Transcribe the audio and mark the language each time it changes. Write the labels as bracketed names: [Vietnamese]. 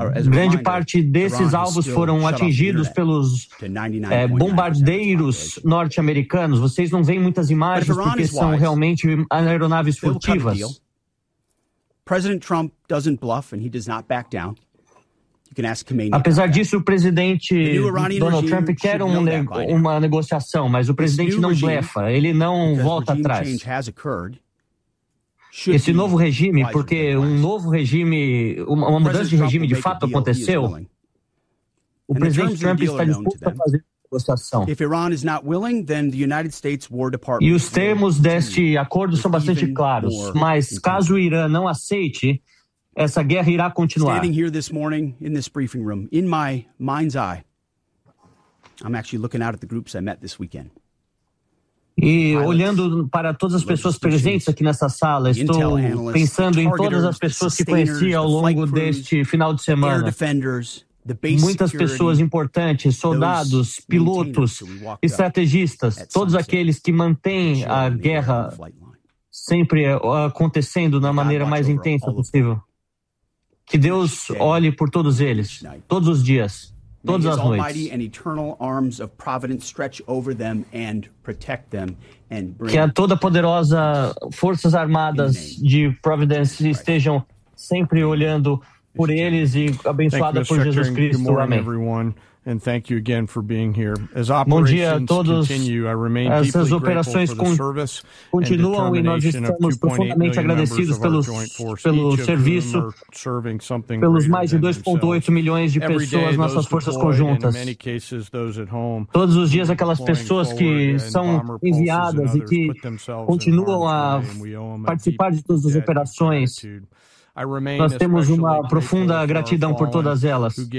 [Portuguese] Grande parte desses alvos foram atingidos pelos bombardeiros norte-americanos. Vocês não veem muitas imagens porque são realmente aeronaves furtivas. [English] President Trump doesn't bluff and he does not back down. [Portuguese] Apesar disso, o presidente Donald Trump quer uma negociação, mas o presidente não blefa, ele não volta atrás. Esse novo regime, porque um novo regime, uma mudança de regime de fato aconteceu, o presidente Trump está disposto a fazer uma negociação. [English] If Iran is not willing, then the United States War Department. [Portuguese] E os termos deste acordo são bastante claros, mas caso o Irã não aceite, essa guerra irá continuar. [English] Standing here this morning in this briefing room, in my mind's eye, I'm actually looking out at the groups I met this weekend. [Portuguese] E olhando para todas as pessoas presentes aqui nessa sala, estou pensando em todas as pessoas que conheci ao longo deste final de semana. Muitas pessoas importantes, soldados, pilotos, estrategistas, todos aqueles que mantêm a guerra sempre acontecendo na maneira mais intensa possível. Que Deus olhe por todos eles, todos os dias. Todas as noites. [English] Almighty and eternal arms of providence stretch over them and protect them and bring. [Portuguese] Que a toda poderosa forças armadas de Providence estejam sempre olhando por eles e abençoada por Jesus Cristo. Amém. [English] And thank you again for being here. As operations continue, I remain deeply grateful for the full service and determination of 2.8 million members of our joint force. [Portuguese] Nós temos uma profunda gratidão por todas elas.